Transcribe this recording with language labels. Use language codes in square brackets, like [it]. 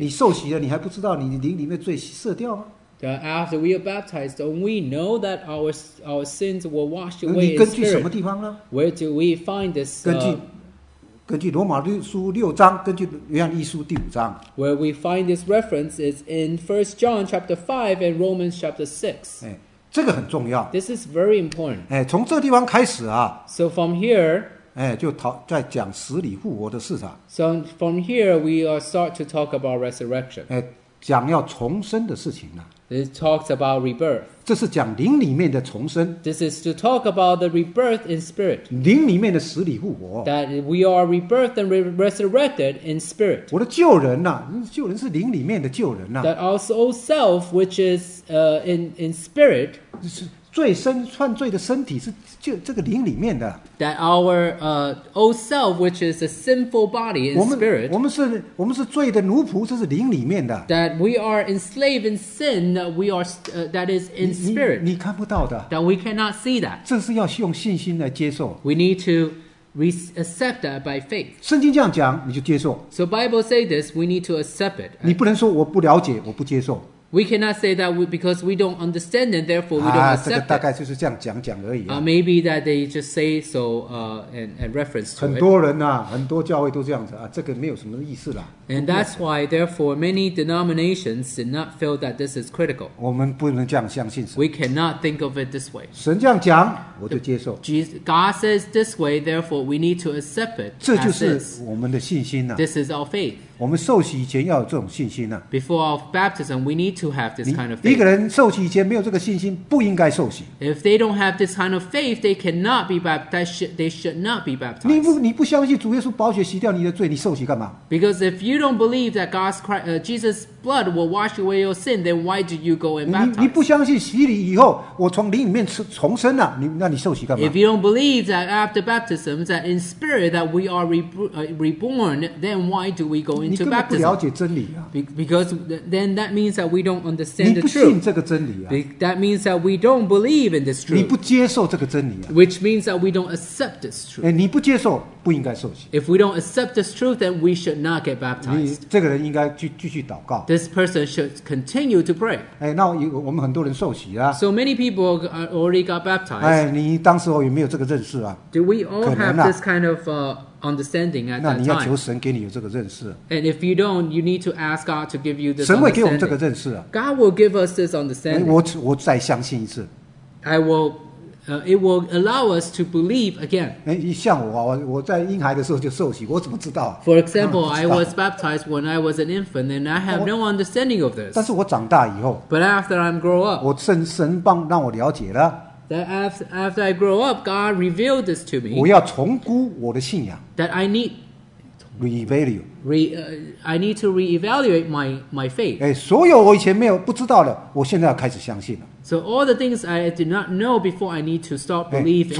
[zh] 你受洗了，你还不知道你灵里面罪赦掉吗？ [en] After we are baptized, don't we know that our sins were washed away? [zh] 你根据什么地方呢 [en] ？Where do we find this? [zh] 根据罗马书六章，根据约翰一书第五章。 [en] Where we find this reference is in 1 John chapter 5 and Romans chapter 6. [zh] 哎，这个很重要。 [en] This is very important. [zh] 哎，从这地方开始啊。 [en] So from here. [zh] 哎，就在讲死里复活的事上。 [en] So from here, we are start to talk about resurrection. [zh] 哎，讲要重生的事情呢、啊。 [en] It talks about rebirth. [zh] 这是讲灵里面的重生。 [en] This is to talk about the rebirth in spirit. [zh] 灵里面的死里复活。 [en] That we are rebirthed and resurrected in spirit. [zh] 我的旧人啊，旧人是灵里面的旧人啊。 [en] That our old self, which is in spirit, [zh] 罪身犯罪的身体是就这个灵里面的。 [en] That our old self, which is a sinful body in spirit, [zh] 我们是罪的奴仆，这是灵里面的。 [en] That we are enslaved in sin, we are that is in spirit. [zh] 你看不到的。 [en] That we cannot see that. [zh] 这是要用信心来接受。 [en] We need to accept that by faith. [zh] 圣经这样讲，你就接受。 [en] So Bible say this, we need to accept it. [zh] 你不能说我不了解，我不接受。 [en] We cannot say that because we don't understand it, therefore we don't accept it. [zh] 这个大概就是这样讲讲而已、啊。 [en] Maybe that they just say so, and reference to it. [zh] 很多人啊，很多教会都这样子啊，这个没有什么意思啦。 [en] And that's why, therefore, many denominations did not feel that this is critical. [zh] 我们不能这样相信神。 [en] We cannot think of it this way. [zh] 神这样讲，我就接受。 [en] God says this way, therefore we need to accept it. [zh] 这就是我们的信心啊。 [en] This is our faith. [zh] 我们受洗以前要有这种信心啊。 [en] Before our baptism, we need to have this kind of faith. [zh] 一个人受洗以前没有这个信心，不应该受洗。 [en] If they don't have this kind of faith, they cannot be baptized. They should not be baptized. [zh] 你不相信主耶稣宝血洗掉你的罪，你受洗干嘛 [en] ？Because if you don't believe that God's Christ, Jesus' blood will wash away your sin, then why do you go and baptize? [zh] 你不相信洗礼以后我从灵里面重生了、啊，那你受洗干嘛 [en] ？If you don't believe that after baptism, that in spirit that we are reborn, then why do we go in? into baptism. [zh] 你根本不了解真理啊。 [en] Because then that means that we don't understand the truth. [zh] 你不信这个真理啊。 [en] That means that we don't believe in this truth. [zh] 你不接受这个真理啊。 [en] Which means that we don't accept this truth. [zh] 你不接受不应该受洗。 [en] If we don't accept this truth, then we should not get baptized. [zh] 这个人应该继续祷告。 [en] This person should continue to pray. [zh] 那我们很多人受洗啊。 [en] So many people already got baptized. [zh] 你当时候有没有这个认识啊？ [en] Do we all have this kind of... understanding at that time. [zh] 那你要求神给你有这个认识。 [en] And if you don't, you need to ask God to give you this understanding. [zh] 神会给我们这个认识啊。 [en] God will give us this understanding. [zh] 我再相信一次。 [en] I will, it will allow us to believe again. [zh] 像我啊，我在婴孩的时候就受洗，我怎么知道啊？ [en] For example, I was baptized when I was an infant, and I have no understanding of this. [zh] 但是我长大以后。 [en] But after I grow up. [zh] 我神帮让我了解了。 [en] That after I grow up, God revealed this to me. [zh] 我要重估我的信仰。 [en] That I need I need to reevaluate my faith. [zh] 所有我以前没有不知道的，我现在要开始相信了。 [en] So all the things I did not know before, I need to start believing.